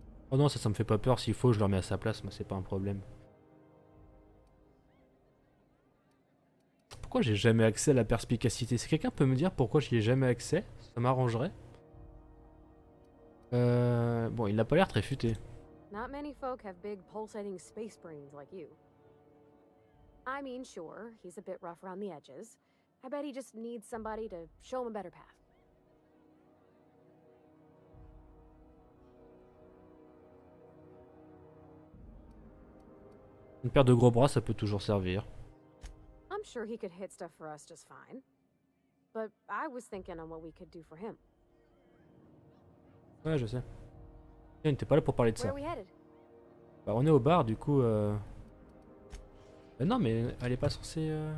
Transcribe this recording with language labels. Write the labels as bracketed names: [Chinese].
[French] Oh non, ça me fait pas peur, s'il faut je le remets à sa place, mais c'est pas un problème. Pourquoi j'ai jamais accès à la perspicacité? Si quelqu'un peut me dire pourquoi j'y ai jamais accès, ça m'arrangerait. Bon, il n'a pas l'air très futé. [English] Not many folk have big pulsating space brains like you. I mean, sure, he's a bit rough around the edges. I bet he just needs somebody to show him a better path. [French] Une paire de gros bras, ça peut toujours servir. [English] I'm sure he could hit stuff for us just fine. But I was thinking on what we could do for him. [French] Ouais, je sais. Tiens, il n'était pas là pour parler de ça. [English] Where are we headed? [French] Bah, on est au bar, du coup. Non, mais elle est pas censée.